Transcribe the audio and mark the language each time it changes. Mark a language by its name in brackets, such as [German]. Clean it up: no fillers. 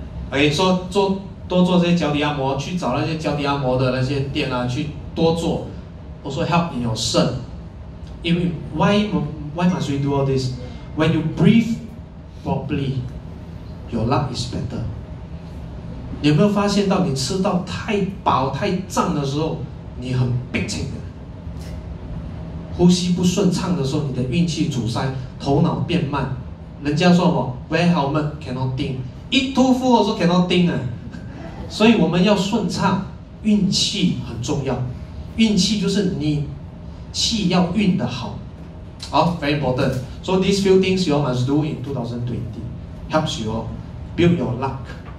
[Chinese] OK， 说做多做这些脚底按摩，去找那些脚底按摩的那些店啊，去多做。我说 [English] help in your 肾， [Chinese] 因为 [English] why must we do all this？ When you breathe properly， your luck is better。 [Chinese] 你有没有发现到你吃到太饱太胀的时候，你很 bitching 的，呼吸不顺畅的时候，你的运气阻塞，头脑变慢。人家说我 [English] wear helmet cannot think， eat too full also cannot think 啊。 [Chinese] 所以我们要顺畅，运气很重要。运气就是你气要运得好。 [English] 好， very important。 So these few things you all must do in 2020 helps you all build your luck。